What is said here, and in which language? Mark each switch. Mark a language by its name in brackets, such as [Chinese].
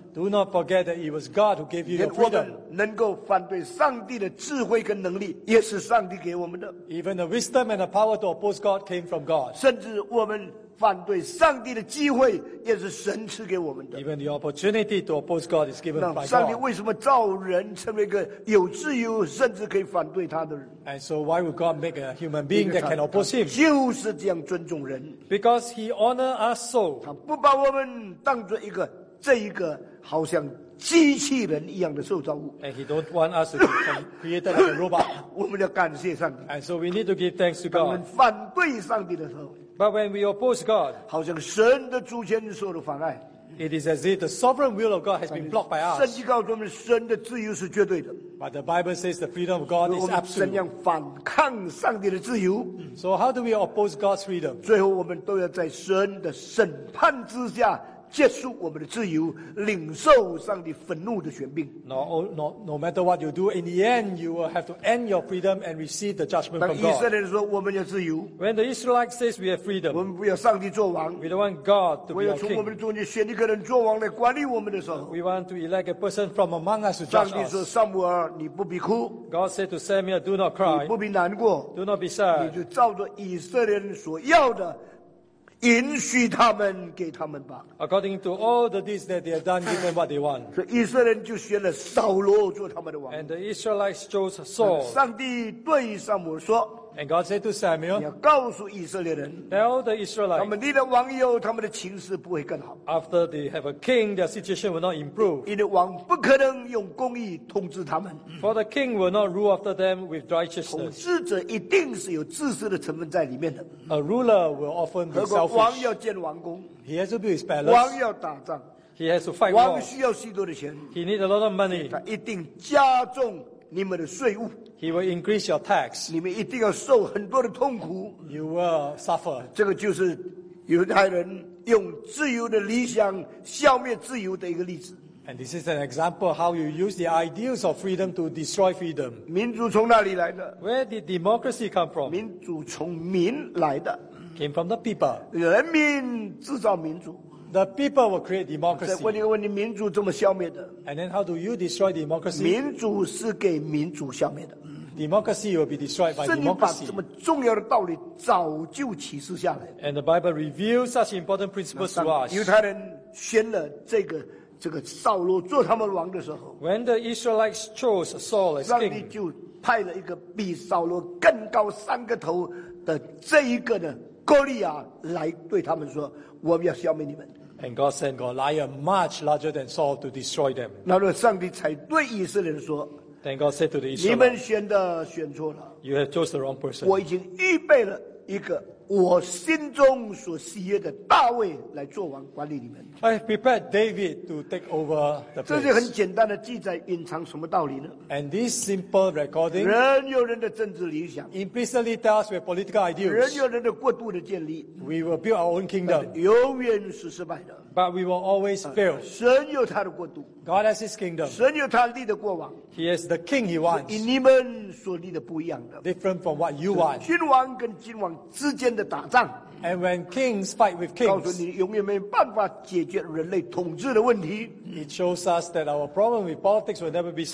[English] Do not forget that it was God who gave you your freedom. [Chinese] 能够反对上帝的智慧跟能力，也是上帝给我们的。 [English] Even the wisdom and the power to oppose God came from God. [Chinese] 甚至我们反对上帝的机会，也是神赐给我们的。 [English] Even the opportunity to oppose God is given by God. [Chinese] 上帝为什么造人成为一个有自由，甚至可以反对他的人 [English] ？And so why would God make a human being that can oppose Him？ [Chinese] 就是这样尊重人。 [English] Because He honors us so. [Chinese] 他不把我们当作一个这一个好像机器人一样的受造物。 [English] And He don't want us to be created like a robot. [Chinese] 我们要感谢上帝。 [English] And so we need to give thanks to God. [Chinese] 当我们反对上帝的时候。 [English] But when we oppose God, [Chinese] 好像神的主权受到妨碍。 [English] It is as if the sovereign will of God has been blocked by us. [Chinese] 圣经告诉我们，神的自由是绝对的。 [English] But the Bible says the freedom of God is absolute. [Chinese] 怎样反抗上帝的自由 [English] ？So how do we oppose God's freedom? [Chinese] 最后，我们都要在神的审判之下结束我们的自由，领受上帝愤怒的权柄。 [English] No matter what you do, in the end, you will have to end your freedom and receive the judgment from God. [Chinese] 以色列人说我们有自由。 [English] When the Israelites says we have freedom, [Chinese] 我们不要上帝做王。 [English] We don't want God to be our king. [Chinese] 我要从我们的中间选一个人做王来管理我们的时候。 [English] We want to elect a person from among us to judge us. [Chinese] 上帝说撒母耳，你不必哭。 [English] God said to Samuel, do not cry. [Chinese] 你不必难过。 [English] Do not be sad. [Chinese] 你就照着以色列人所要的。允许他们给他们吧。 [English] According to all the deeds that they have done, give them what they want. [Chinese] 所以以色列人就选了扫罗做他们的王。 [English] And the Israelites chose Saul. [Chinese] 上帝对撒母耳说。 [English] And God said to Samuel, [Chinese] 你要告诉以色列人。 [English] Tell the Israelites. [Chinese] 他们立了王以后，他们的情势不会更好。 [English] After they have a king, their situation will not improve. [Chinese] 因为王不可能用公义统治他们。 [English] For the king will not rule after them with righteousness. [Chinese] 统治者一定是有自私的成分在里面的。 [English] A ruler will often be selfish. [Chinese] 如果王要建王宫， [English] he has to build his palace. [Chinese] 王要打仗， [English] he has to fight. [Chinese] 王需要许多的钱， [English] he needs a lot of money. [Chinese] 他一定加重你们的税务。 [English] He will increase your tax. [Chinese] 你们一定要受很多的痛苦。 [English] You will suffer. [Chinese] 这个就是犹太人用自由的理想消灭自由的一个例子。 [English] And this is an example how you use the ideals of freedom to destroy freedom. [Chinese] 民主从哪里来的？ [English] Where did democracy come from? [Chinese] 民主从民来的。 [English] Came from the people. [Chinese] 人民制造民主。 [English] The people will create democracy. [Chinese] 问你问你，民主怎么消灭的？ [English] And then how do you destroy democracy? [Chinese] 民主是给民主消灭的。 [English] Democracy will be destroyed by democracy. [Chinese] 圣经把这么重要的道理早就启示下来。 [English] And the Bible reveals such important principles to us. [Chinese] 犹太人选了这个扫罗做他们王的时候， [English] When the Israelites chose Saul as king, [Chinese] 上帝就派了一个比扫罗更高三个头的这一个呢哥利亚来对他们说。我们要消灭你们。 [English] And God sent Goliath much larger than Saul to destroy them. [Chinese] 那么上帝才对以色列人说。 [English] Then God said to the Israelites, [Chinese] 你们选错了。 [English] You have chosen the wrong person. [Chinese] 我已经预备了一个我心中所喜悦的大卫来做王管理你们。 [English] I prepared David to take over the place. [Chinese] 这是很简单的记载，隐藏什么道理呢？ [English] And this simple recording, [Chinese] 人有人的政治理想， [English] implicitly tells with political ideals, [Chinese] 人有人的国度的建立， [English] we will build our own kingdom, [Chinese] 永远是失败的。 [English] But we will always fail. [Chinese] 神有他的国度， [English] God has his kingdom. [Chinese] 神有他立的国王， [English] He is the king he wants. [Chinese] 与你们所立的不一样的， [English] different from what you want. [Chinese] 君王跟君王之间的打仗， [English] And when kings fight with kings, [Chinese] 告诉你永远没有办法解决人类统治的问题。 [English] It shows us that our problem with politics will never be solved.